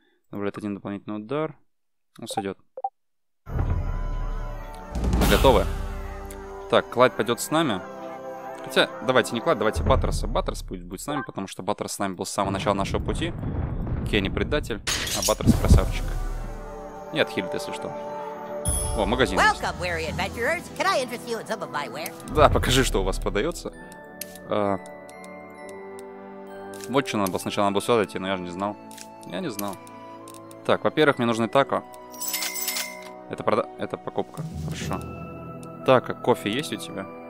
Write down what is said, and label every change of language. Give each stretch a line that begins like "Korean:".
Russian: Добавляет один дополнительный удар. Ну, сойдет. Готовы. Так, Клайд пойдет с нами. Хотя, давайте не Клайд, давайте Баттерса. Баттерс будет с нами, потому что Баттерс с нами был с самого начала нашего пути. Кенни предатель, а Баттерс красавчик. И отхилит, если что. О, магазин.
English: Welcome, weary adventurers. Can I interest you in some of my wear?
Russian: Да, покажи, что у вас продается. Вот что надо было сначала бы сюда идти, но я же не знал. Я не знал. Так, во-первых, мне нужны тако. Это прода... Это покупка. Хорошо. Тако, кофе есть у тебя?